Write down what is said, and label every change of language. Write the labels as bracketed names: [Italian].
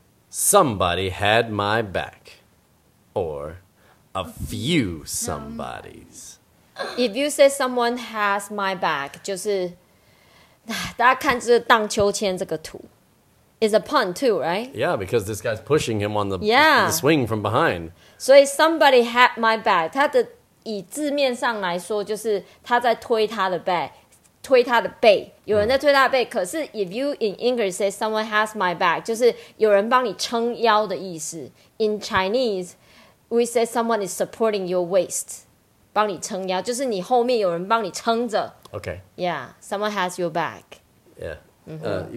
[English] Somebody had my back. Or a few somebodies. If you say someone has my back, [Chinese] 就是大家看这个荡秋千这个图 [English] is a pun too, right? Yeah, because this guy's pushing him on the, yeah. the swing from behind. [Chinese] 所以 [English] somebody had my back, [Chinese] 他的以字面上来说就是他在推他的 back. 推他的背，有人在推他的背。可是 ， [English] if you in English say someone has my back， [Chinese] 就是有人帮你撑腰的意思。 [English] In Chinese， we say someone is supporting your waist， [Chinese] 帮你撑腰，就是你后面有人帮你撑着。 [English] Okay. Yeah, someone has your back. Yeah.、Mm-hmm.